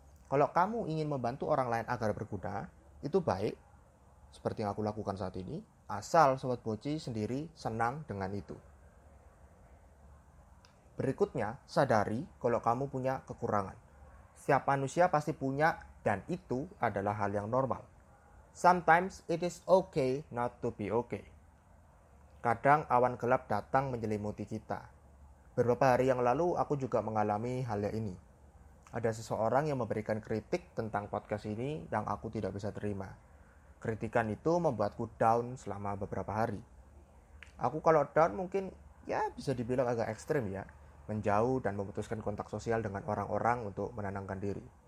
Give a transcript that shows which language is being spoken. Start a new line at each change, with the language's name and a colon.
Indonesian: Kalau kamu ingin membantu orang lain agar berguna, itu baik, seperti yang aku lakukan saat ini, asal Sobat Boci sendiri senang dengan itu. Berikutnya, sadari kalau kamu punya kekurangan. Setiap manusia pasti punya, dan itu adalah hal yang normal.
English: Sometimes it is okay not to be okay.
Indonesian: Kadang awan gelap datang menyelimuti kita. Beberapa hari yang lalu, aku juga mengalami hal ini. Ada seseorang yang memberikan kritik tentang podcast ini yang aku tidak bisa terima. Kritikan itu membuatku down selama beberapa hari. Aku kalau down mungkin ya bisa dibilang agak ekstrim ya, menjauh dan memutuskan kontak sosial dengan orang-orang untuk menenangkan diri.